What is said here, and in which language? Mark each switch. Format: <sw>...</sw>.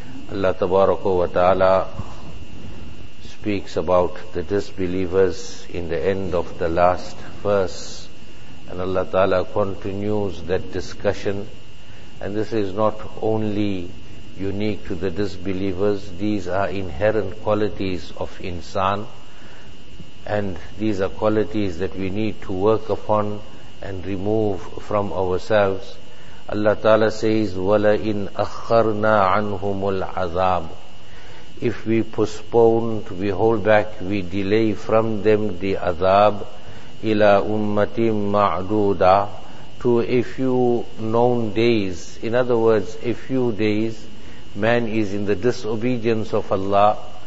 <en>Allah Tabaraka wa Ta'ala speaks about the disbelievers in the end of the last verse, and Allah Ta'ala continues that discussion. And this is not only unique to the disbelievers, these are inherent qualities of insan, and these are qualities that we need to work upon and remove from ourselves. Allah Ta'ala says,</en> <ar>وَلَئِنْ أَخَّرْنَا عَنْهُمُ الْعَذَابُ.</ar> <en>If we postpone, we hold back, we delay from them the azab,</en> <ar>إِلَىٰ أُمَّةٍ مَعْدُودًا,</ar> <en>to a few known days. In other words, a few days, man is in the disobedience of Allah.</en>